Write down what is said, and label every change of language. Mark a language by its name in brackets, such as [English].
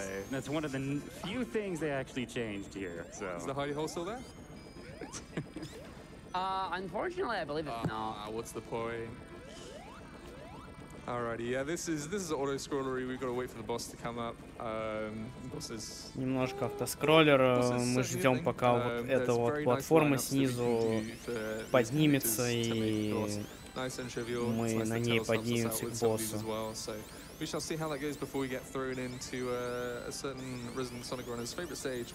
[English] That's one of the few things they actually changed here. So is the hidey hole still there? Unfortunately, I believe it's not. What's the point? Alrighty, yeah, this is auto scrollery. We've got to wait for the boss to come up. Bosses. [Russian] Немножко автоскроллер. Мы ждем, пока вот эта вот платформа снизу поднимется и мы на ней поднимемся к боссу. [English] We shall see how that goes before we get thrown into a certain Resident Sonic Runner's favorite stage.